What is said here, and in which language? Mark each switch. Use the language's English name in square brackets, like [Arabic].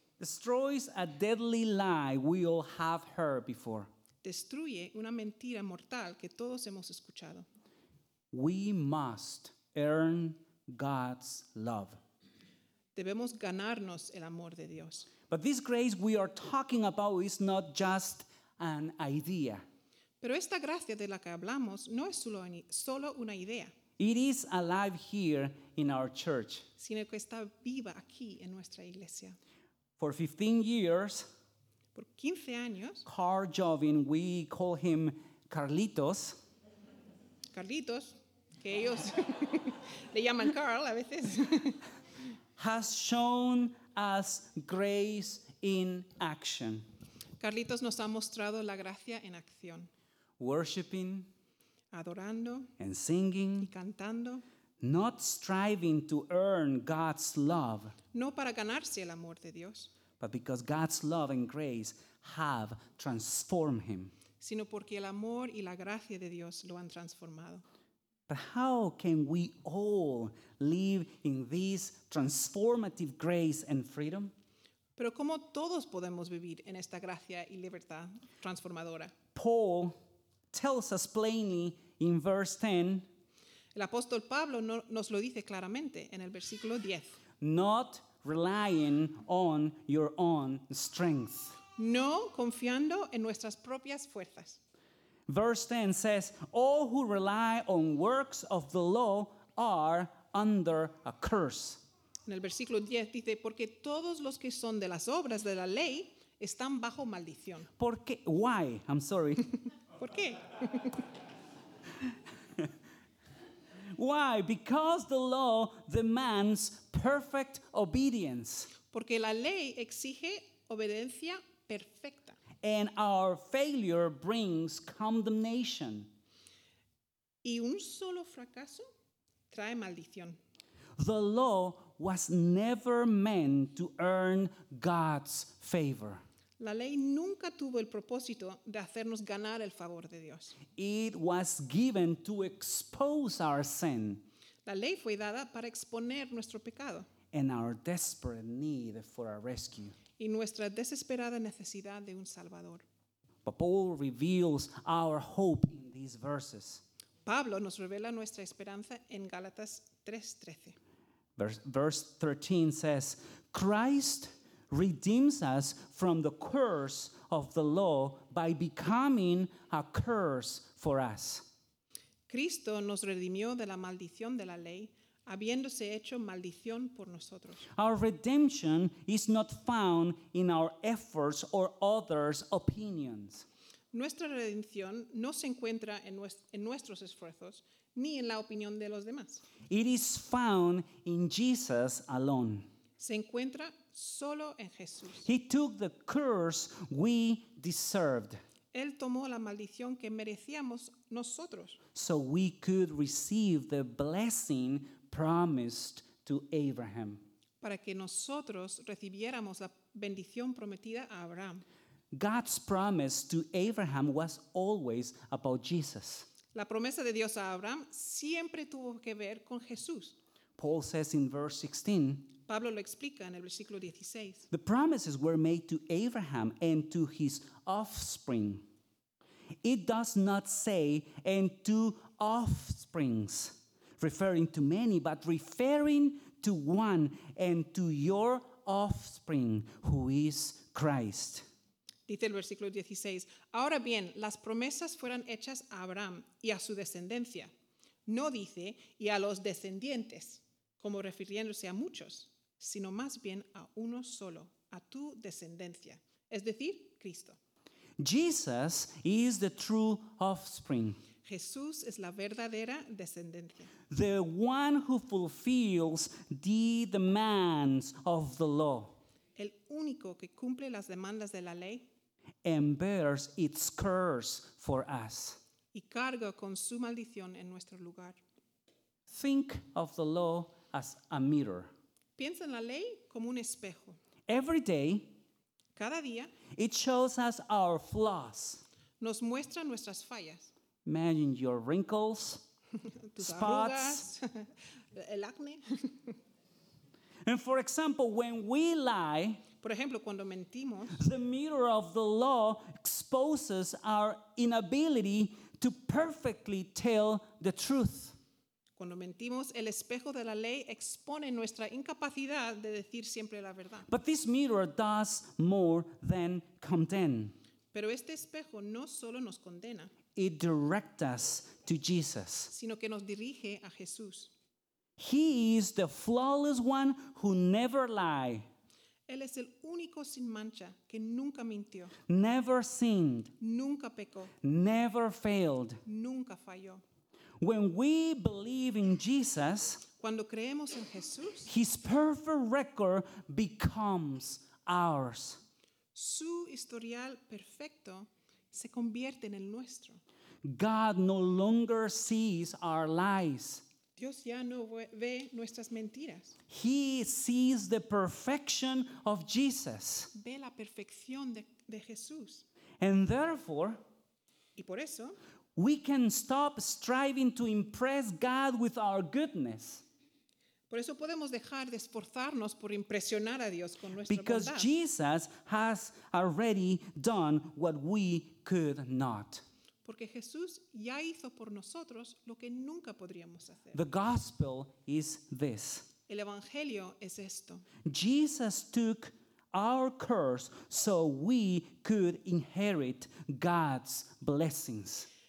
[English] Destroys a deadly lie we all have heard before. [Spanish] Destruye una mentira mortal que todos hemos escuchado. [English] We must earn God's love. [Spanish] Debemos ganarnos el amor de Dios. [English] But this grace we are talking about is not just an idea. [Spanish] Pero esta gracia de la que hablamos no es solo una idea. [English] It is alive here in our church. [Spanish] Sino que está viva aquí en nuestra iglesia. [English] For 15 years, [Spanish] por 15 años, [English] Carl Jovin, we call him Carlitos. [Spanish] Carlitos, que ellos le llaman Carl a veces. [English] Has shown us grace in action. [Spanish] Carlitos nos ha mostrado la gracia en acción. [English] Worshiping, [Spanish] adorando, [English] and singing, [Spanish] y cantando, [English] not striving to earn God's love, [Spanish] no para ganarse el amor de Dios, [English] but because God's love and grace have transformed him, [Spanish] sino porque el amor y la gracia de Dios lo han transformado. [English] But how can we all live in this transformative grace and freedom? [Spanish] Pero cómo todos podemos vivir en esta gracia y libertad transformadora. [English] Paul tells us plainly in verse 10. [Spanish] El apóstol Pablo nos lo dice claramente en el versículo 10. [English] Not relying on your own strength. [Spanish] No confiando en nuestras propias fuerzas. [English] Verse 10 says, all who rely on works of the law are under a curse. [Spanish] En el versículo 10 dice, porque todos los que son de las obras de la ley están bajo maldición. ¿Por qué? [English] Why? I'm sorry. [Spanish] ¿Por qué? [English] Why? Because the law demands perfect obedience. [Spanish] Porque la ley exige obediencia perfecta. [English] And our failure brings condemnation. [Spanish] Y un solo fracaso trae maldición. [English] The law was never meant to earn God's favor. [Spanish] La ley nunca tuvo el propósito de hacernos ganar el favor de Dios. [English] It was given to expose our sin. [Spanish] La ley fue dada para exponer nuestro pecado. [English] And our desperate need for a rescue. [Spanish] Y nuestra desesperada necesidad de un salvador. [English] But Paul reveals our hope in these verses. [Spanish] Pablo nos revela nuestra esperanza en Gálatas 3:13. [English] Verse 13 says, Christ redeems us from the curse of the law by becoming a curse for us. [Spanish] Cristo nos redimió de la maldición de la ley, habiéndose hecho maldición por nosotros. [English] Our redemption is not found in our efforts or others' opinions. [Spanish] Nuestra redención no se encuentra en nuestros esfuerzos ni en la opinión de los demás. [English] It is found in Jesus alone. [Spanish] Se encuentra solo en Jesús. [English] He took the curse we deserved. [Spanish] Él tomó la maldición que merecíamos nosotros. [English] So we could receive the blessing promised to Abraham. [Spanish] Para que nosotros recibiéramos la bendición prometida a Abraham. [English] God's promise to Abraham was always about Jesus. [Spanish] La promesa de Dios a Abraham siempre tuvo que ver con Jesús. [English] Paul says in verse 16, [Spanish] Pablo lo explica en el versículo 16. [English] The promises were made to Abraham and to his offspring. It does not say and to offsprings, referring to many, but referring to one and to your offspring, who is Christ. [Spanish] Dice el versículo 16, ahora bien, las promesas fueron hechas a Abraham y a su descendencia. No dice, y a los descendientes, como refiriéndose a muchos, sino más bien a uno solo, a tu descendencia, es decir, Cristo. [English] Jesus is the true offspring. [Spanish] Jesús es la verdadera descendencia. [English] The one who fulfills the demands of the law. [Spanish] El único que cumple las demandas de la ley. [English] And bears its curse for us. [Spanish] Y carga con su maldición en nuestro lugar. [English] Think of the law as a mirror. [Spanish] Piensa en la ley como un espejo. [English] Every day, [Spanish] cada día, [English] it shows us our flaws. [Spanish] Nos muestra nuestras fallas. [English] Imagine your wrinkles, spots, [Spanish] el acné. [English] And for example, when we lie, [Spanish] por ejemplo, cuando mentimos, [English] the mirror of the law exposes our inability to perfectly tell the truth. [Spanish] Cuando mentimos, el espejo de la ley expone nuestra incapacidad de decir siempre la verdad. [English] But this mirror does more than condemn. [Spanish] Pero este espejo no solo nos condena. [English] It directs us to Jesus. [Spanish] Sino que nos dirige a Jesús. [English] He is the flawless one who never lied. [Spanish] Él es el único sin mancha que nunca mintió. [English] Never sinned. [Spanish] Nunca pecó. [English] Never failed. [Spanish] Nunca falló. [English] When we believe in Jesus, [Spanish] cuando creemos en Jesús, [English] his perfect record becomes ours. [Spanish] Su historial perfecto se convierte en el nuestro. [English] God no longer sees our lies. [Spanish] Dios ya no ve nuestras mentiras. [English] He sees the perfection of Jesus. [Spanish] Ve la perfección de Jesús. [English] And therefore, [Spanish] y por eso, [English] we can stop striving to impress God with our goodness. [Spanish] Por eso podemos dejar de esforzarnos por impresionar a Dios con nuestra bondad. [English] Because Jesus has already done what we could not. [Spanish] Porque Jesús ya hizo por nosotros lo que nunca podríamos hacer. [English] The gospel is this. [Spanish] El evangelio es esto. [English] Jesus took our curse so we could inherit God's blessings.